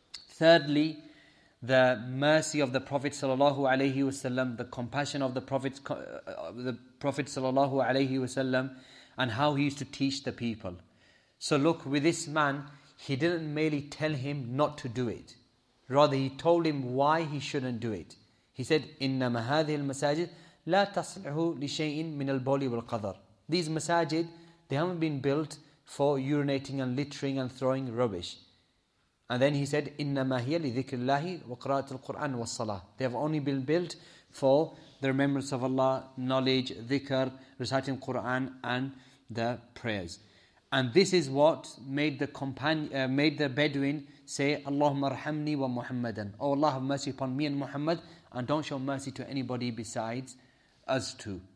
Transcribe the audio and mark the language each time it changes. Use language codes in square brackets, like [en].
[en] Thirdly, the mercy of the Prophet sallallahu alaihi wasallam, the compassion of the Prophet sallallahu alaihi wasallam, and how he used to teach the people. So look, with this man, he didn't merely tell him not to do it. Rather, he told him why he shouldn't do it. He said, [ar] إِنَّمَا هَذِهِ الْمَسَاجِدِ لَا تَصْلِحُ لِشَيْءٍ مِنَ الْبَوْلِ وَالْقَذَرِ. [en] These masajid, they haven't been built for urinating and littering and throwing rubbish. And then he said, [ar] إِنَّمَا هِيَ لِذِكْرِ اللَّهِ وَقْرَاءَةِ الْقُرْآنِ وَالصَّلَاةِ. [en] They have only been built for the remembrance of Allah, knowledge, dhikr, reciting Qur'an and the prayers. And this is what made the Bedouin say, [ar] Allahumma arhamni wa Muhammadan. [en] Oh Allah, have mercy upon me and Muhammad, and don't show mercy to anybody besides us two.